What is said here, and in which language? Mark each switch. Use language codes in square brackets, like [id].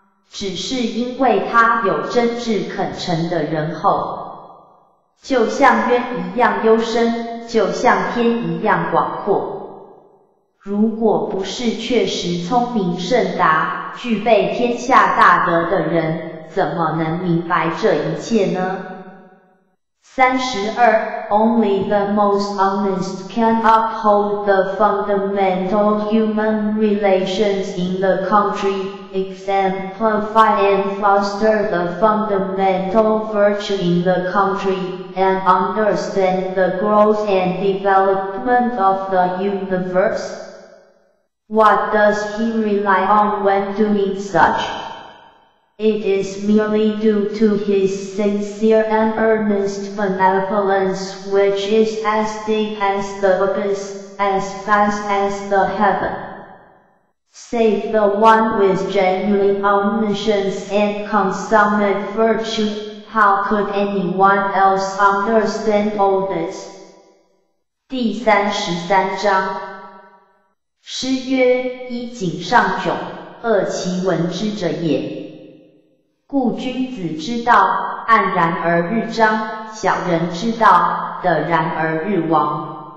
[zh] 只是因为他有真挚恳诚的仁厚，就像渊一样幽深，就像天一样广阔。如果不是确实聪明甚达，具备天下大德的人，怎么能明白这一切呢？ [en] 32 Only the most honest can uphold the fundamental human relations in the country, exemplify and foster the fundamental virtue in the country, and understand the growth and development of the universe. What does he rely on when doing such? It is merely due to his sincere and earnest benevolence, which is as deep as the abyss, as vast as the heaven. Save the one with genuine omniscience and consummate virtue, how could anyone else understand all this? [zh] 第33章。诗曰：“衣锦上窘，恶其闻之者也。” 故君子之道，黯然而日彰；小人之道，得然而日亡。